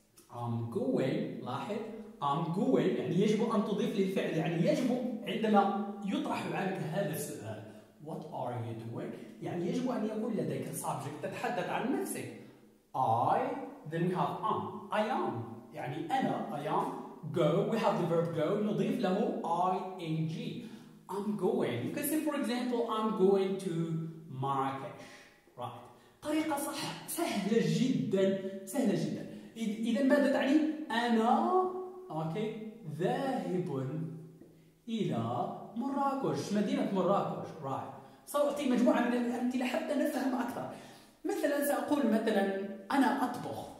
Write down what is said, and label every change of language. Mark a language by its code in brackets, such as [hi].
[en] I'm going [ar] لاحظ I'm going يعني يجب أن تضيف للفعل يعني يجب عندما يطرح عليك هذا السؤال [en] What are you doing [ar] يعني يجب أن يكون لديك subject تتحدث عن نفسك [en] I then we have I'm I am [ar] يعني أنا [en] I am Go, we have the verb go, [ar] نضيف له ing. [en] I'm going. You can say, for example, I'm going to Marrakesh. Right. [ar] طريقة صح سهلة جدا. سهلة جدا. إذا ماذا تعني؟ أنا okay, ذاهب إلى مراكش. مدينة مراكش. [en] Right. [ar] سأعطي مجموعة من الأمثلة حتى نفهم أكثر. مثلا سأقول مثلا أنا أطبخ.